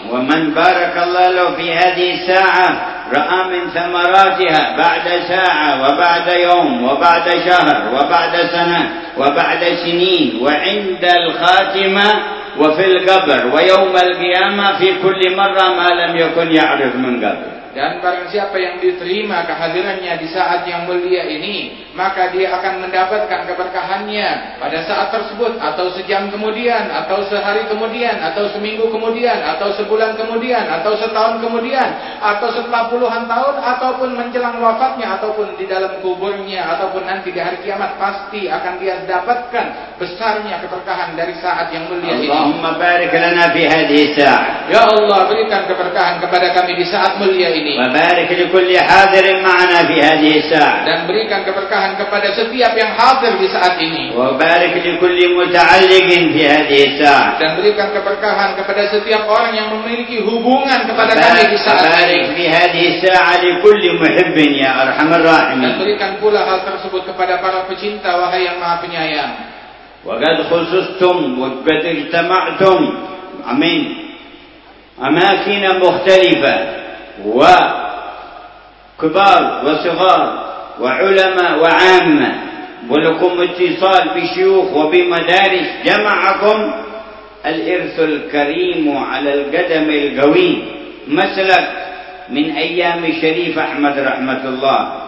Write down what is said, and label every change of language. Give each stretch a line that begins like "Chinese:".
Arabic: وَمَنْ بَارَكَ اللَّهُ لَهُ فِي هَذِهِ السَّاعَةِ رأى من ثمراتها بعد ساعة وبعد يوم وبعد شهر وبعد سنة وبعد سنين وعند الخاتمة وفي القبر ويوم القيامة في كل مرة ما لم يكن يعرف من قبل.
Indonesian: Dan barang siapa yang diterima kehadirannya di saat yang mulia ini, maka dia akan mendapatkan keberkahannya pada saat tersebut, atau sejam kemudian, atau sehari kemudian, atau seminggu kemudian, atau sebulan kemudian, atau setahun kemudian, atau setelah puluhan tahun, ataupun menjelang wafatnya, ataupun di dalam kuburnya, ataupun nanti di hari kiamat, pasti akan dia dapatkan besarnya keberkahan dari saat yang mulia ini.
Arabic: Allahumma barik lana fi hadhihi sa'ah.
Indonesian: Ya Allah, berikan keberkahan kepada kami di saat mulia ini.
Arabic: وبارك لكل حاضر معنا في هذه الساعة.
Indonesian: Dan berikan keberkahan kepada setiap yang hadir di saat ini.
Arabic: وبارك لكل متعلق في هذه الساعة.
Indonesian: Dan berikan keberkahan kepada setiap orang yang memiliki hubungan kepada kami di saat ini.
Arabic: وبارك في هذه الساعة لكل محب يا أرحم الراحمين.
Indonesian: Dan berikan pula hal tersebut kepada para pecinta, wahai yang maha penyayang.
Arabic: وقد خصصتم وقد اجتمعتم أمين أماكن مختلفة وكبار وصغار وعلماء وعامة ولكم اتصال بشيوخ وبمدارس جمعكم الإرث الكريم على القدم القوي مسلك من أيام الشريف أحمد رحمة الله